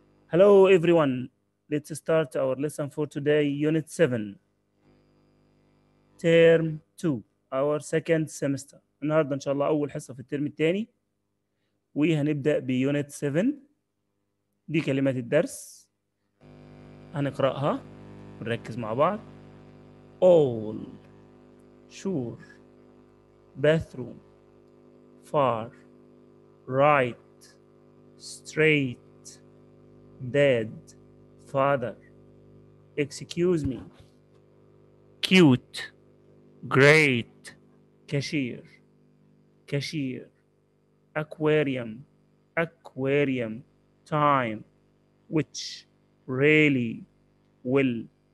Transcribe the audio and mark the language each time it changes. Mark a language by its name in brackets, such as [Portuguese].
[English] Hello everyone, let's start our lesson for today, Unit 7, Term 2, our second semester. [Arabic] النهاردة إن شاء الله أول حصة في الترم الثاني وهنبدأ بـ Unit 7. دي كلمات الدرس هنقرأها ونركز مع بعض. [English] All, sure, bathroom, far, right, straight, dead, father, excuse me, cute, great, cashier, cashier, aquarium, aquarium, time, which, really, will.